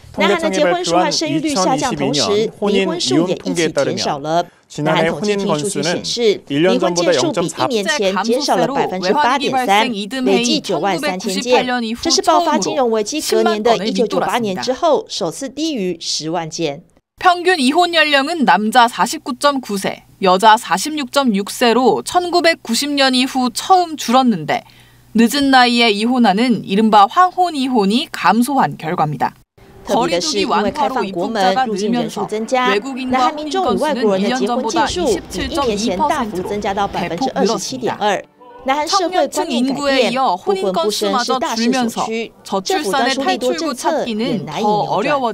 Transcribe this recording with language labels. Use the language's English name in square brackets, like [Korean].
[Chinese] 南韩的结婚数和生育率下降同时，离婚数也一起减少了。南韩统计厅数据显示，离婚件数比一年前减少了8.3%，累计93,000件，这是爆发金融危机隔年的1998年之后首次低于100,000件。 [Korean] 평균이혼연령은남자 49.9세, 여자 46.6세로1990년이후처음줄었는데늦은나이에이혼하는이른바황혼이혼이감소한결과입니다 [Chinese] 特别的是，因为开放国门，入境人数增加，南韩民众与外国人的结婚件数比一年前大幅增加到27.2%。南韩社会观念改变，不婚不生是大势所趋，政府当初利多政策也难以扭转。